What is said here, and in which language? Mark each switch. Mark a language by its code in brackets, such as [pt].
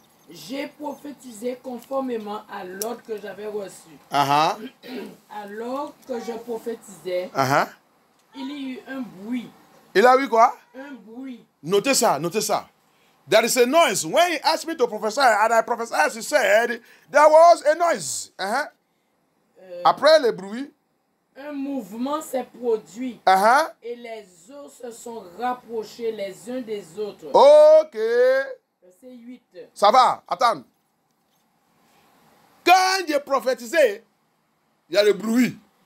[fr] J'ai prophétisé conformément à l'ordre que j'avais reçu. Alors que je prophétisais, il y a eu un bruit. Il a eu quoi? Un bruit. Notez ça. [en] There is a noise. When he asked me to prophesy, and I prophesied, as he said, there was a noise. [fr] Après le bruit, un mouvement s'est produit. Et les eaux se sont rapprochées les uns des autres. Ok. Verset 8. Ça va, attends. Quand j'ai prophétisé, il y a le bruit.